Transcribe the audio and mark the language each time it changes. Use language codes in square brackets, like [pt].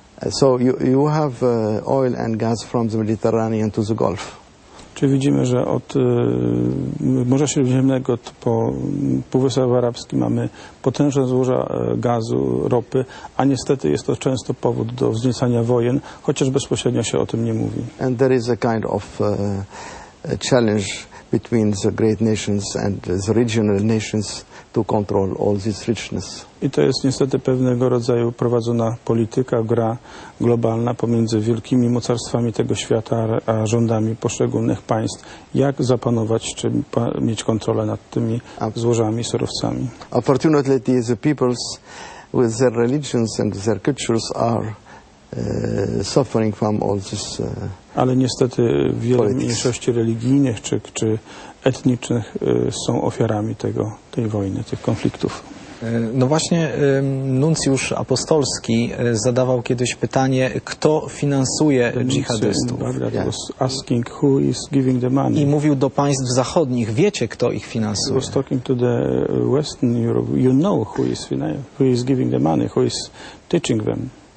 [en] So you have oil and gas from the Mediterranean to the Gulf. [pl] Czy widzimy, że od Morza Śródziemnego po Półwysep Arabski mamy potężne złoża gazu, ropy, a niestety jest to często powód do wzniecania wojen, chociaż bezpośrednio się o tym nie mówi. [en] And there is a kind of a challenge between the great nations and the regional nations to control all this richness. [pl] I to jest niestety pewnego rodzaju prowadzona polityka, gra globalna pomiędzy wielkimi mocarstwami tego świata a rządami poszczególnych państw. Jak zapanować, czy mieć kontrolę nad tymi złożami, surowcami? [en] Unfortunately, the peoples with their religions and their cultures are suffering from all this. [pl] Ale niestety wiele mniejszości religijnych czy etnicznych są ofiarami tej wojny, tych konfliktów. No właśnie, nuncjusz apostolski zadawał kiedyś pytanie, kto finansuje dżihadystów. [en] Asking who is giving the money. [pl] I mówił do państw zachodnich, wiecie, kto ich finansuje. [en] He was talking to the Western Europe, you know who is giving the money, who is teaching them.